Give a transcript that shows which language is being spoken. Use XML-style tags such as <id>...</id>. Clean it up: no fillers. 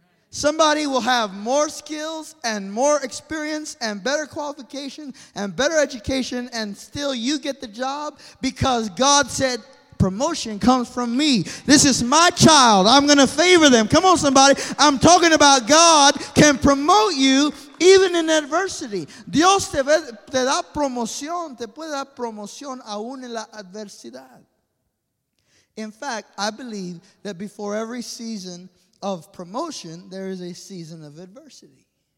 <en>Somebody will have more skills and more experience and better qualification and better education, and still you get the job because God said, promotion comes from me. This is my child. I'm going to favor them. Come on, somebody. I'm talking about God can promote you even in adversity.</en> <es>Dios te da promoción. Te puede dar promoción aún en la adversidad.</es> <en>In fact, I believe that before every season of promotion, there is a season of adversity.</en>